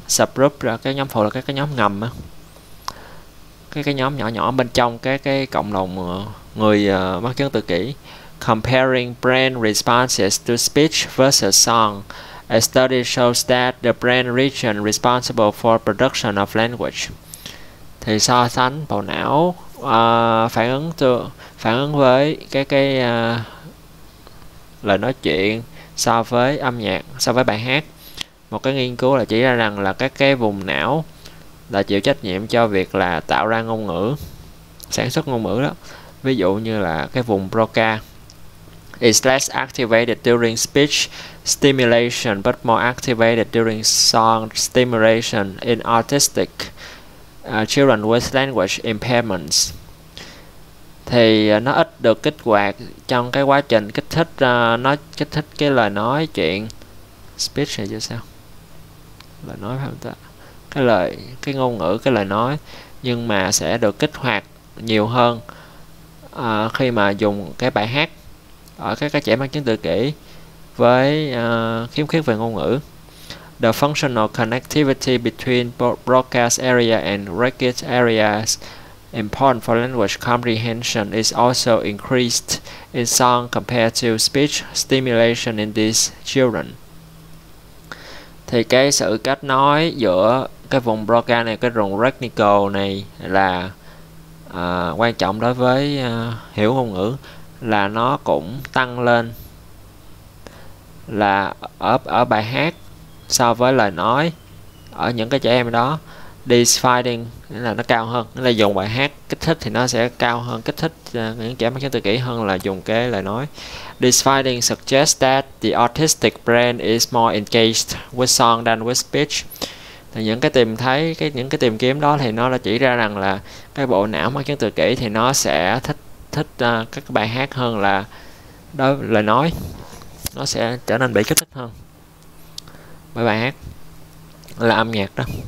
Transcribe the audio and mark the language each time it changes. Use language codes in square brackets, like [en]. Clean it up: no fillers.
[vi] Subgroup là cái nhóm phụ, là các cái nhóm ngầm, cái nhóm nhỏ nhỏ bên trong cái cộng đồng người mắc chứng tự kỷ. [en] Comparing brain responses to speech versus song, a study shows that the brain region responsible for production of language. [vi] Thì so sánh bộ não phản ứng với cái lời nói chuyện so với âm nhạc, so với bài hát. Một cái nghiên cứu là chỉ ra rằng là các cái vùng não là chịu trách nhiệm cho việc là tạo ra ngôn ngữ, sản xuất ngôn ngữ đó. Ví dụ như là cái vùng [en] Broca is less activated during speech stimulation but more activated during song stimulation in autistic children with language impairments. [vi] Thì nó ít được kích hoạt trong cái quá trình kích thích nó kích thích cái lời nói chuyện. Speech là sao? Lời nói phải không ta? Cái ngôn ngữ, cái lời nói, nhưng mà sẽ được kích hoạt nhiều hơn khi mà dùng cái bài hát ở các trẻ mắc chứng tự kỷ với khiếm khuyết về ngôn ngữ. [en] The functional connectivity between broadcast area and racket areas important for language comprehension is also increased in song compared to speech stimulation in these children. [vi] Thì cái sự kết nối giữa cái vùng Broca này, cái vùng Regnico này là quan trọng đối với hiểu ngôn ngữ, là nó cũng tăng lên là ở ở bài hát so với lời nói ở những cái trẻ em đó. [en] These finding [vi] là nó cao hơn, nó là dùng bài hát kích thích thì nó sẽ cao hơn kích thích những trẻ mắc chứng tự kỷ hơn là dùng cái lời nói. [en] These findings suggest that the autistic brain is more engaged with song than with speech. [vi] Thì những cái tìm kiếm đó thì nó đã chỉ ra rằng là cái bộ não mắc chứng tự kỷ thì nó sẽ thích thích các bài hát hơn là đó lời nói. Nó sẽ trở nên bị kích thích hơn bởi bài hát là âm nhạc đó.